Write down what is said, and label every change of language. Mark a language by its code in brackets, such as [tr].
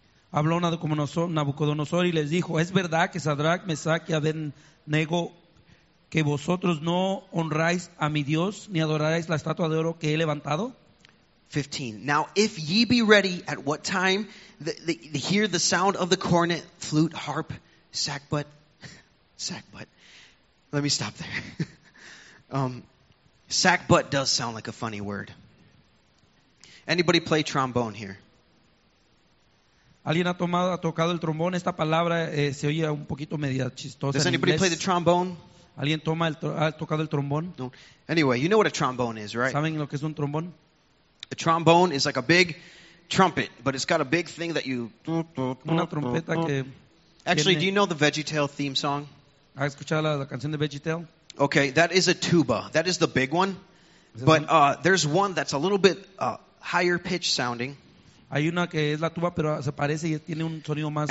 [es] Habló Nabucodonosor y les dijo, ¿Es verdad que Shadrach, Meshach y Abednego, que vosotros no honráis a mi Dios, ni adoráis la estatua de oro que he levantado? [en] 15. Now if ye be ready at what time to hear the sound of the cornet, flute, harp, sackbut. Let me stop there. Sackbut does sound like a funny word. Anybody play trombone here? [es] ¿Alguien ha tocado el trombón? Esta palabra se oye un poquito media chistosa. [en] Does anybody play the trombone? [es] ¿Alguien ha tocado el trombón? [en] No. Anyway, you know what a trombone is, right? [es] ¿Saben lo que es un trombón? [en] A trombone is like a big trumpet, but it's got a big thing that you... [es] Una trompeta que... [en] Actually, do you know the VeggieTale theme song? [es] ¿Has escuchado la canción de VeggieTale? [en] Okay, that is a tuba. That is the big one. But there's one that's a little bit higher pitch sounding. [es] Hay una que es la tuba, pero se parece y tiene un sonido más...